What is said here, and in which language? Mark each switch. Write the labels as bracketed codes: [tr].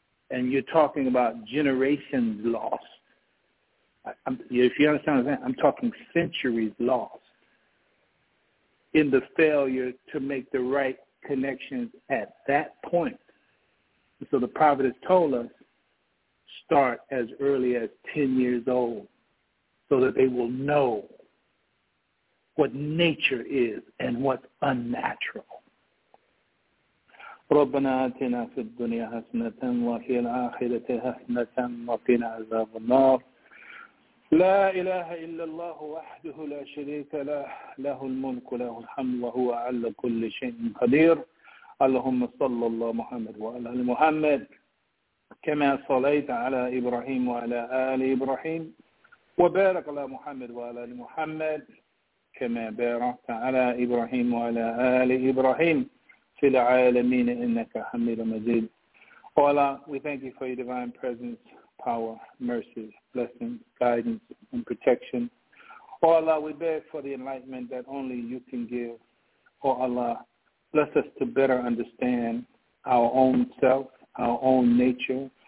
[en] And you're talking about generations lost. If you understand what I'm saying, I'm talking centuries lost in the failure to make the right connections at that point. So the Prophet has told us, start as early as 10 years old so that they will know what nature is and what's unnatural. [ar] ربنا آتنا في الدنيا حسنة وفي الآخرة حسنة وقنا عذاب النار. لا إله إلا الله وحده لا شريك له, له الملك له الحمد وهو على كل شيء قدير. اللهم صل على محمد وعلى آل محمد كما صليت على إبراهيم وعلى آل إبراهيم وبارك على محمد وعلى آل محمد كما باركت على إبراهيم وعلى آل إبراهيم في العالمين إنك حميد مجيد. [en] Allah, we thank you for your divine presence, power, mercy, blessing, guidance, and protection. Allah, we beg for the enlightenment that only you can give. Allah, bless us to better understand our own self, our own nature.